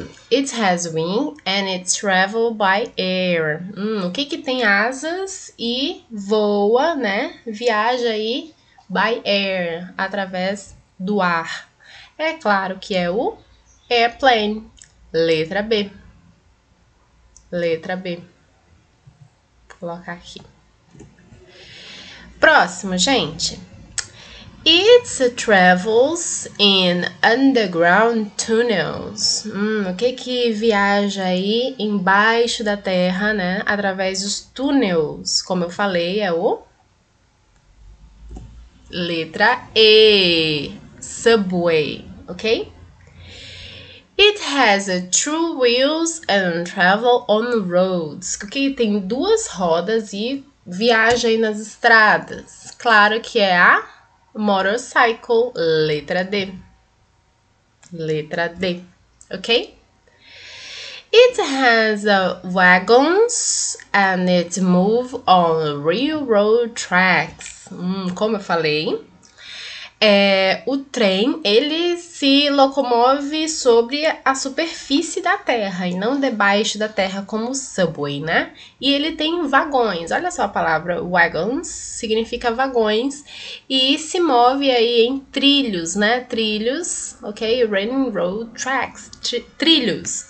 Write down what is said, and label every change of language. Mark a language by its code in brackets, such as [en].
[en] It has wing and it travel by air. [pt] O que que tem asas e voa, né? Viaja aí [en] by air, [pt] através do ar. É claro que é o airplane. Letra B. Letra B. Vou colocar aqui. Próximo, gente. [en] It travels in underground tunnels. [pt] O que que viaja aí embaixo da terra, né? Através dos túneis, como eu falei, é o letra E, subway, ok? [en] It has two wheels and travel on roads. Okay? [pt] Tem duas rodas e viaja aí nas estradas. Claro que é a motorcycle, letra D. Letra D, ok? [en] It has wagons and it move on railroad tracks. [pt] Como eu falei, o trem, ele se locomove sobre a superfície da terra e não debaixo da terra como o subway, né? E ele tem vagões. Olha só a palavra wagons, significa vagões, e se move aí em trilhos, né? Trilhos, ok? [en] Railroad tracks, trilhos.